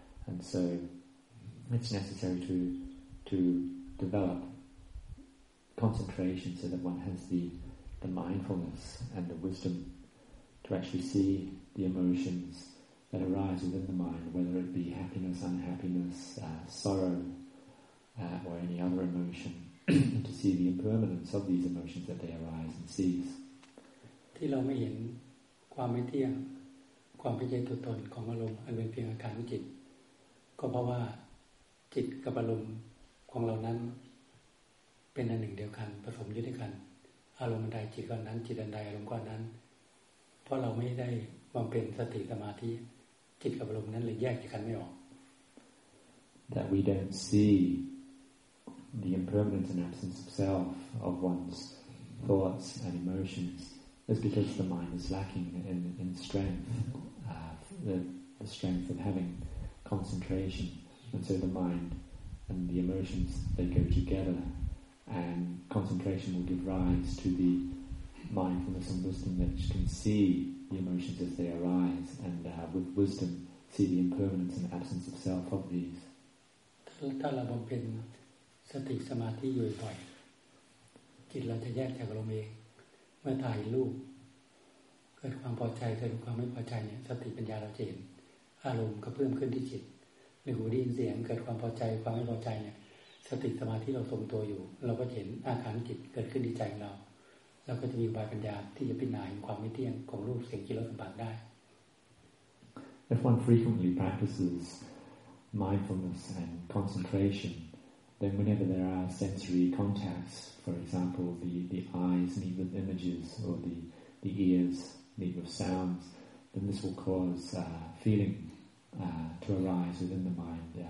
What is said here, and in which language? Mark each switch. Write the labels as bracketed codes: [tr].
[en] And so it's necessary to develop concentration so that one has the mindfulness and the wisdom to actually see the emotions that arise within the mind, whether it be happiness, unhappiness, sorrow, or any other emotion, and to see the impermanence of these emotions that they arise and cease. [th] ที่เราไม่เห็นความไม่เที่ยงความไม่ใช่ตัวตนของอารมณ์อันเป็นเพียงอาการของจิตก็เพราะว่าจิตกับอารมณ์ของเรานั้นเป็นอันหนึ่งเดียวกันผสมอยู่ด้วยกันอารมณ์ใดจิตก้อนนั้นจิตอันใดอารมณ์ก้อนนั้นเพราะเราไม่ได้บำเพ็ญสติสมาธิจิตกับอารมณ์นั้นเลยแยกจากกันไม่ออก [en] That we don't see the impermanence and absence of self of one's thoughts and emotions is because the mind is lacking in strength the strength of having concentration and so the mind and the emotions they go togetherAnd concentration will give rise to the mindfulness and wisdom that can see the emotions as they arise, and with wisdom see the impermanence and absence of self of these. [th] ถ้าเราบำเพ็ญสติสมาธิอยู่บ่อยจิตเราจะแยกจากอารมณ์เองเมื่อถ่ายรูปเกิดความพอใจเกิดความไม่พอใจเนี่ยสติปัญญาเราเห็นอารมณ์กระเพื่อมขึ้นที่จิตหรือหูได้ยินเสียงเกิดความพอใจความไม่พอใจเนี่ยสติสมาธิเราทรงตัวอยู่เราก็เห็นอาการจิตเกิดขึ้นในใจของเราเราก็จะมีวิปัญญาที่จะพิจารณาความไม่เที่ยงของรูปเสียงกลิ่นรสสัมผัสได้ [en] If one frequently practices mindfulness and concentration then whenever there are sensory contacts for example the eyes meet with images or the ears meet with sounds then this will cause feeling to arise within the mind